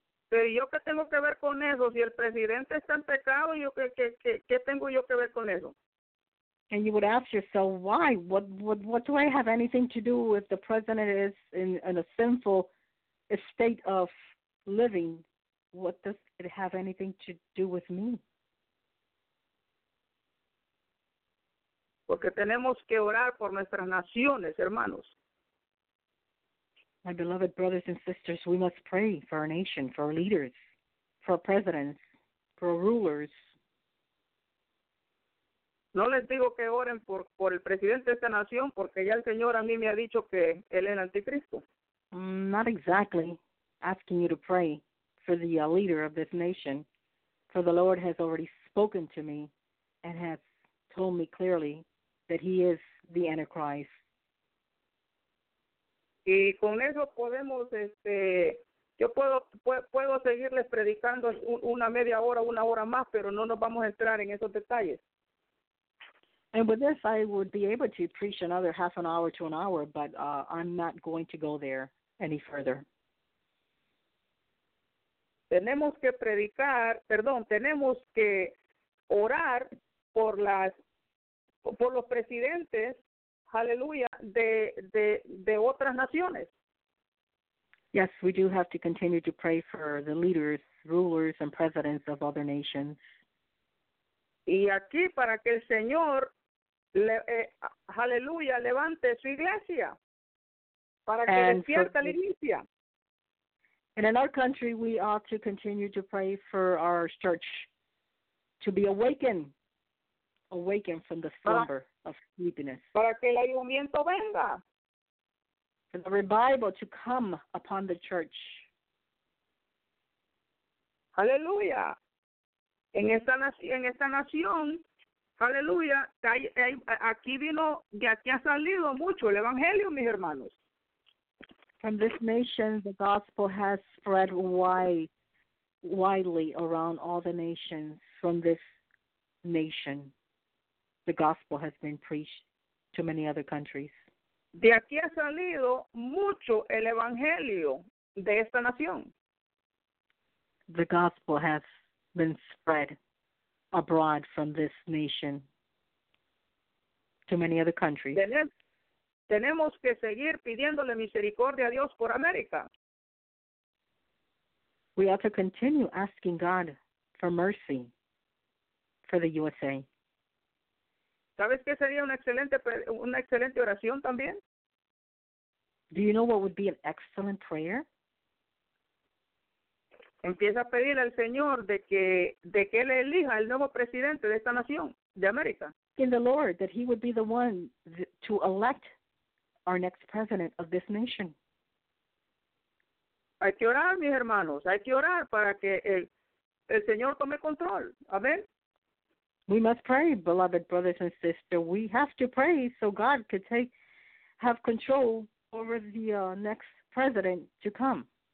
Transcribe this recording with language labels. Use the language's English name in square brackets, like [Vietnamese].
[Spanish] Pero yo qué tengo que ver con eso? Si el presidente está en pecado, yo qué tengo yo que ver con eso? [English] And you would ask yourself, why? What do I have anything to do if the president is in a sinful state of living? What does it have anything to do with me? [Spanish] Porque tenemos que orar por nuestras naciones, hermanos. [English] My beloved brothers and sisters, we must pray for our nation, for our leaders, for our presidents, for our rulers. [Spanish] No les digo que oren por el presidente de esta nación, porque ya el Señor a mí me ha dicho que él es el anticristo. [English] Not exactly asking you to pray for the leader of this nation, for the Lord has already spoken to me and has told me clearly that he is the Antichrist. [Spanish] Y con eso podemos, yo puedo seguirles predicando una media hora, una hora más, pero no nos vamos a entrar en esos detalles. [English] And with this, I would be able to preach another half an hour to an hour, but I'm not going to go there any further. [Spanish] Tenemos que predicar, perdón, tenemos que orar por los presidentes, aleluya, de otras naciones. [English] Yes, we do have to continue to pray for the leaders, rulers, and presidents of other nations. [Spanish] Y aquí para que el Señor, aleluya, levante su iglesia, para que despierta la iglesia. [English] And in our country, we ought to continue to pray for our church to be awakened from the slumber of sleepiness. [Spanish] Para que el avivamiento venga. [English] For the revival to come upon the church. Hallelujah. [Spanish] En esta nación, hallelujah, aquí ha salido mucho el evangelio, mis hermanos. [English] From this nation, the gospel has spread widely around all the nations. From this nation, the gospel has been preached to many other countries. [Spanish] De aquí ha salido mucho el evangelio de esta nación. [English] The gospel has been spread abroad from this nation to many other countries. [Spanish] Tenemos que seguir pidiéndole misericordia a Dios por América. [English] We have to continue asking God for mercy for the USA. [Spanish] ¿Sabes qué sería una excelente oración también? [English] Do you know what would be an excellent prayer? [Spanish] Empieza a pedirle al Señor de que él elija el nuevo presidente de esta nación, de América. [English] In the Lord, that he would be the one to elect our next president of this nation. [Spanish] Hay que orar, mis hermanos. Hay que orar para que el Señor tome control. Amen. [English] We must pray, beloved brothers and sisters. We have to pray so God could have control over the next president to come.